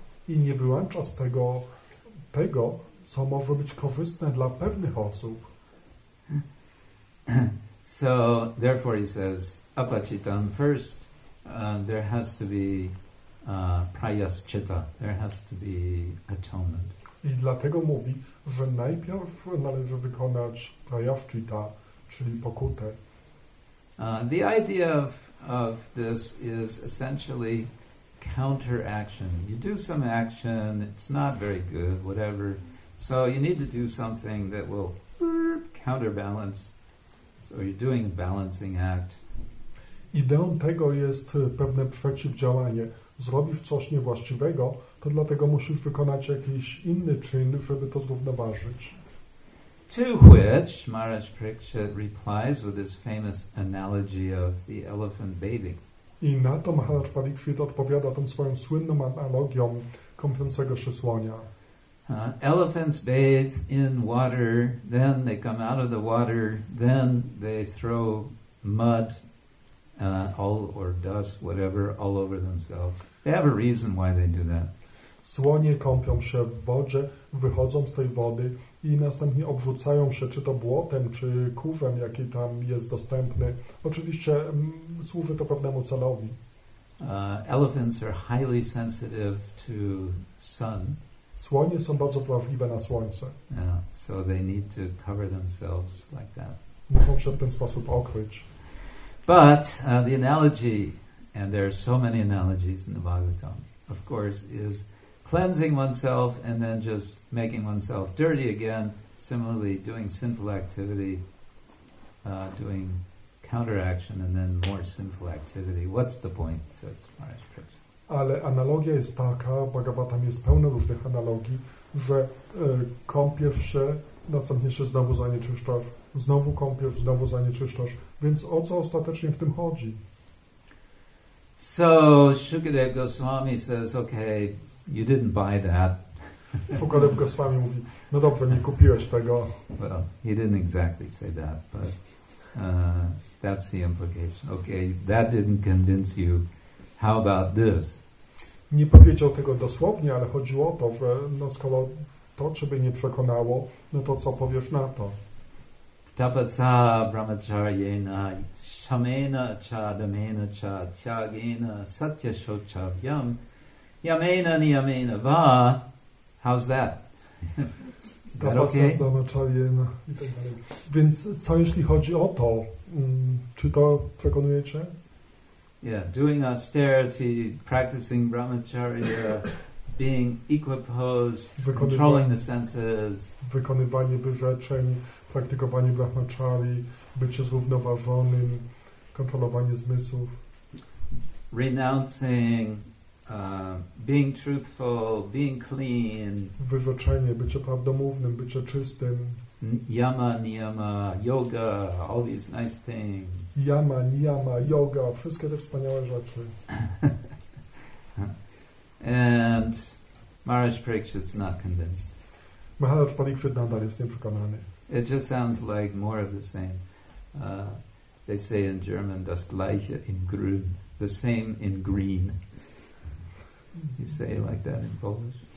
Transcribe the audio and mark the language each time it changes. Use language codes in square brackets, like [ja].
[pl] I nie wyłącza z tego, co może być korzystne dla pewnych osób. [en] So, therefore he says, apachitam first, there has to be prayaschita, there has to be atonement. [pl] I dlatego mówi, że najpierw należy wykonać prayaschita, czyli pokutę. [en] The idea of this is essentially counteraction. You do some action, it's not very good, whatever. So you need to do something that will counterbalance. So you're doing a balancing act. [pl] Ideą tego jest pewne przeciwdziałanie. Zrobisz coś niewłaściwego, to dlatego musisz wykonać jakiś inny czyn, żeby to zrównoważyć. [en] To which Maharaj Parikshit replies with his famous analogy of the elephant bathing. [pl] I na to Maharaj Parikshit odpowiada tą swoją słynną analogią kąpiącego się słonia. [en] Elephants bathe in water, then they come out of the water, then they throw mud all or dust, whatever, all over themselves. They have a reason why they do that. [pl] Słonie kąpią się w wodzie, wychodzą z tej wody i następnie obrzucają się czy to błotem, czy kurzem, jaki tam jest dostępny. Oczywiście służy to pewnemu celowi. [en] Elephants are highly sensitive to sun. [pl] Słonie są bardzo wrażliwe na słońce. [en] Yeah, so they need to cover themselves like that. [pl] Muszą się w ten sposób okryć. [en] But the analogy, and there are so many analogies in the Bhagavatam, of course, is cleansing oneself and then just making oneself dirty again, similarly doing sinful activity, doing counteraction and then more sinful activity. What's the point, says Maharaj Parikshit. [pl] Ale analogia jest taka, Bhagavatam jest pełno różnych analogii, że kąpiesz się, następnie się znowu zanieczyszczasz, znowu kąpiesz, znowu zanieczyszczasz. Więc o co ostatecznie w tym chodzi? [en] So Shukadev Goswami says, okay, you didn't buy that. [pl] Shukadev Goswami mówi, no dobrze, nie kupiłeś tego. [en] Well, he didn't exactly say that, but that's the implication. Okay, that didn't convince you. How about this? [pl] Nie powiedział tego dosłownie, ale chodziło o to, że no skoro to ciebie nie przekonało, no to co powiesz na to? [sa] Tapasa brahmacharyena shamena cha damena cha tyagena satya shochavyam yamena niyamena va. [en] How's that? Is that okay? [sa] Tapasa brahmacharyena [pl] i tak dalej. Więc co jeśli chodzi o to? Czy to przekonuje cię? [en] Yeah, doing austerity, practicing brahmacharya, being equipoised, controlling the senses. [pl] Wykonywanie wyrzeczeń, praktykowanie brahmacharii, bycie zrównoważonym, kontrolowanie zmysłów. [en] Renouncing, being truthful, being clean. [pl] Wyrzeczenie, bycie prawdomównym, bycie czystym. [en] Yama, niyama, yoga, all these nice things. [pl] Yama, niyama, yoga, wszystkie te wspaniałe rzeczy. [en] And Maharaj Parikshit's not convinced. [pl] Maharaj Parikshit nadal jest nieprzekonany. [en] It just sounds like more of the same. They say in German, [de] das gleiche in grün, [en] the same in green. You say it like that in Polish?